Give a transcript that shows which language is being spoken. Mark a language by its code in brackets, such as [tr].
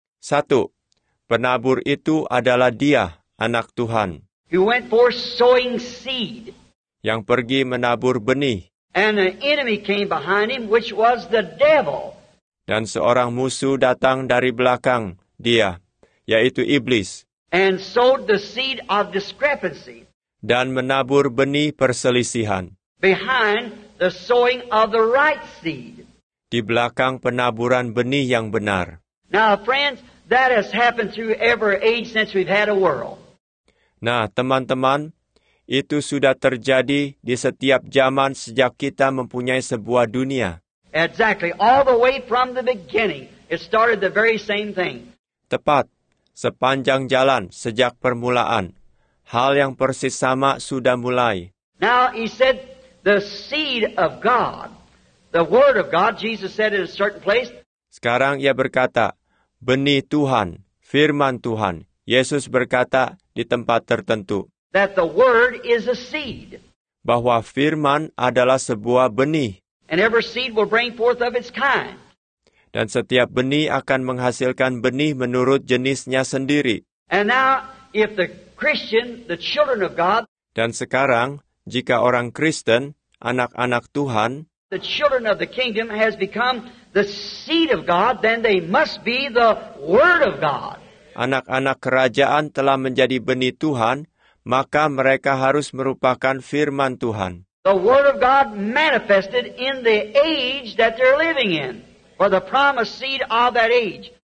[id] Satu, penabur itu adalah dia, anak Tuhan. [en] He went for sowing seed. [id] Yang pergi menabur benih. [en] And an enemy came behind him, which was the devil. [id] Dan seorang musuh datang dari belakang dia, yaitu iblis. [en] And sowed the seed of discrepancy. [id] Dan menabur benih perselisihan. [en] Behind the sowing of the right seed. [id] Di belakang penaburan benih yang benar. [en] Now, friends, that has happened through every age since we've had a world. [id] Nah, teman-teman, itu sudah terjadi di setiap zaman sejak kita mempunyai sebuah dunia. [en] Exactly, all the way from the beginning, it started the very same thing. [id] Tepat, sepanjang jalan sejak permulaan, hal yang persis sama sudah mulai. [en] Now, he said, the seed of God. The word of God, Jesus said in a certain place. [id] Sekarang ia berkata, benih Tuhan, firman Tuhan. Yesus berkata di tempat tertentu. [en] That the word is a seed. [id] Bahwa firman adalah sebuah benih. [en] And every seed will bring forth of its kind. [id] Dan setiap benih akan menghasilkan benih menurut jenisnya sendiri. [en] And now, if the Christian, the children of God. [id] Dan sekarang, jika orang Kristen, anak-anak Tuhan. [en] The children of the kingdom has become the seed of God, then they must be the word of God. [id] Anak-anak kerajaan telah menjadi benih Tuhan, maka mereka harus merupakan firman Tuhan. [en] The word of God manifested in the age that they're living in, for the promised seed of that age.